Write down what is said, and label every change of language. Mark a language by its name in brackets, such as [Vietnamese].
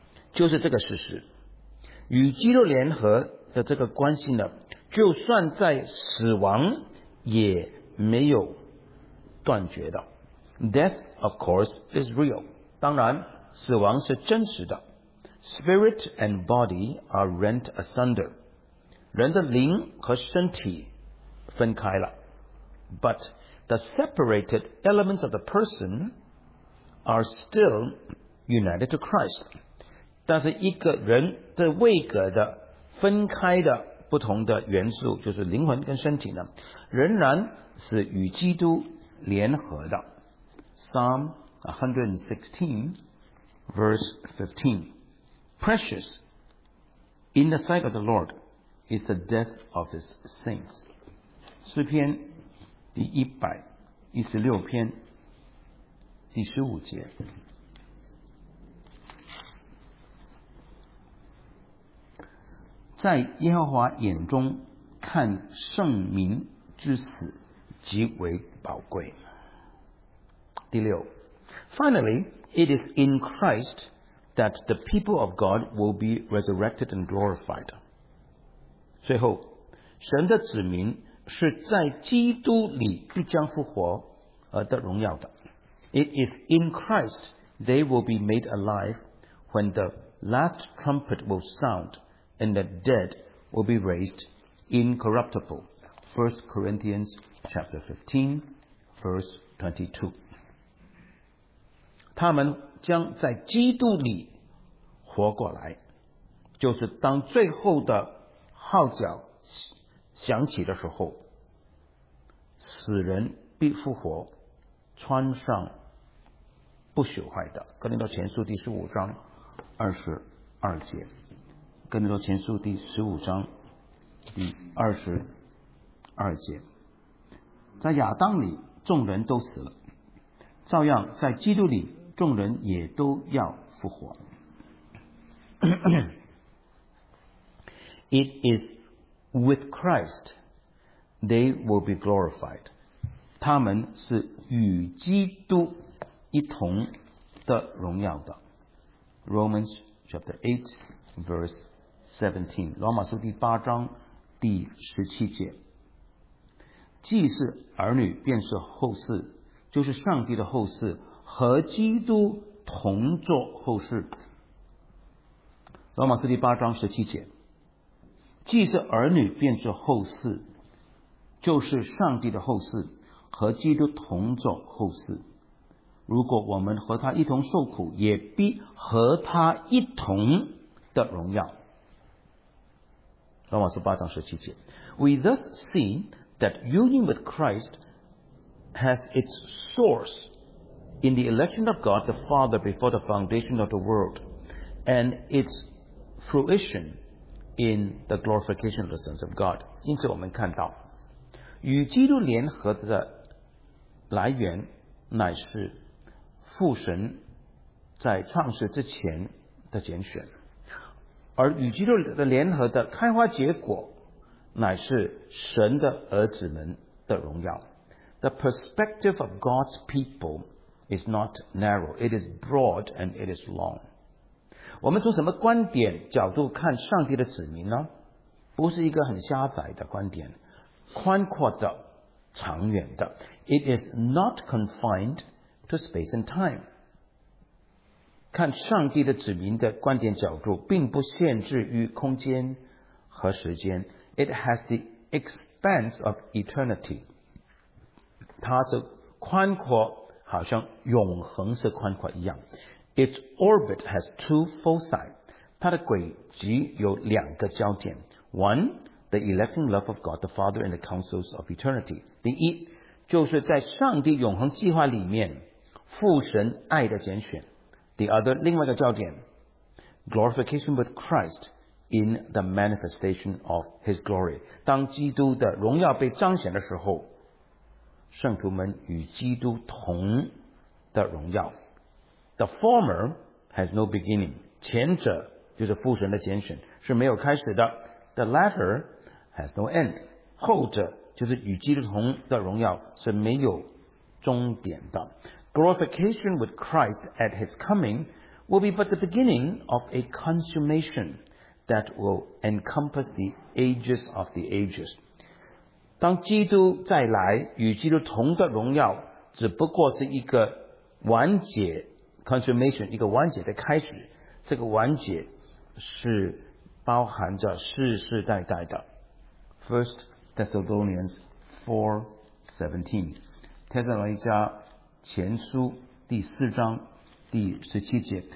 [Chinese] 没有比这段经文所教导的表明得更加清楚，与基督的联合是不能分开的，就是这个事实，与基督联合 的这个关系呢，就算在死亡也没有断绝的。 [English] Death, of course, is real. [Chinese] 当然，死亡是真实的。 [English] Spirit and body are rent asunder. [Chinese] 人的灵和身体分开了。 [English] But the separated elements of the person are still united to Christ. [Chinese] 但是一个人的位格的 分开的不同的元素，就是灵魂跟身体呢，仍然是与基督联合的。 [English] Psalm 116, verse 15. Precious in the sight of the Lord is the death of his saints. [Chinese] 诗篇第116篇第15节。在耶和华眼中看圣民之死极为宝贵。第六， [English] Finally, it is in Christ that the people of God will be resurrected and glorified. [Chinese] 最后，神的子民是在基督里必将复活而得荣耀的。 [English] It is in Christ they will be made alive when the last trumpet will sound and the dead will be raised incorruptible. 1 Corinthians chapter 15, verse 22. [Chinese] 他们将在基督里活过来，就是当最后的号角响起的时候，死人必复活，穿上不朽坏的。哥林多前书第十五章二十二节，哥林多前书第十五章第二十二节，在亚当里众人都死了，照样在基督里众人也都要复活。 [English] It is with Christ they will be glorified. [Chinese] 他们是与基督一同的荣耀的。 [English] Romans chapter 8 verse 17. [Chinese] 罗马书第八章第十七节。既是儿女便是后嗣，就是上帝的后嗣，和基督同作后世。罗马书第八章十七节，既是儿女便是后世，就是上帝的后世，和基督同作后世。如果我们和他一同受苦，也必和他一同的荣耀。罗马书八章十七节。 [English] We thus see that union with Christ has its source in the election of God the Father before the foundation of the world, and its fruition in the glorification of the sons of God. [Chinese] 因此我们看到，与基督联合的来源乃是父神在创世之前的拣选，而与基督的联合的开花结果乃是神的儿子们的荣耀。 [English] The perspective of God's peopleIs not narrow. It is broad and it is long. [Chinese] 我们从什么观点角度看上帝的子民呢？不是一个很狭窄的观点，宽阔的，长远的。 [English] It is not confined to space and time. [Chinese] 看上帝的子民的观点角度并不限制于空间和时间。 [English] It has the expanse of eternity. [Chinese] 它是宽阔，好像永恒是宽阔一样。 [English] Its orbit has two foci. [Chinese] 它的轨迹有两个焦点。 [English] One, the electing love of God the Father in the counsels of eternity. [Chinese] 第一，就是在上帝永恒计划里面父神爱的拣选。 [English] The other, [Chinese] 另外一个焦点， [English] glorification with Christ in the manifestation of his glory. [Chinese] 当基督的荣耀被彰显的时候，圣徒们与基督同的荣耀。 [English] The former has no beginning. [Chinese] 前者就是父神的拣选，是没有开始的。 [English] The latter has no end. [Chinese] 后者就是与基督同的荣耀，是没有终点的。 [English] Glorification with Christ at his coming will be but the beginning of a consummation that will encompass the ages of the ages. [Chinese] 当基督再来，与基督同的荣耀只不过是一个完结 consummation， 一个完结的开始。这个完结是包含着世世代代的。 [English] First Thessalonians 4:17， [Chinese] 帖撒罗尼迦前书第四章第十七节。